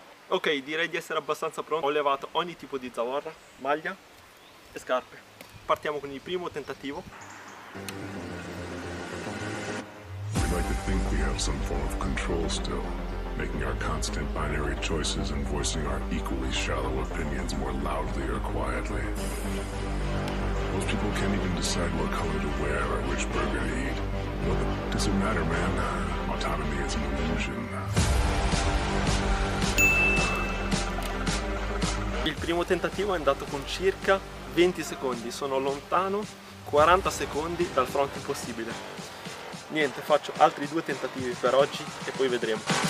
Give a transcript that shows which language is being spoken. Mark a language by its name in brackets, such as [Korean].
[Italian] Ok, direi di essere abbastanza pronto. Ho levato ogni tipo di zavorra, maglia e scarpe. Partiamo con il primo tentativo. [English] We like to think we have some form of control still, making our constant binary choices and voicing our equally shallow opinions more loudly or quietly. Most people can't even decide what color to wear or which burger to eat. Well, does it matter, man? Autonomy is an illusion. [Italian] Il primo tentativo è andato con circa 20 secondi, sono lontano 40 secondi dal front impossibile. Niente, faccio altri due tentativi per oggi e poi vedremo.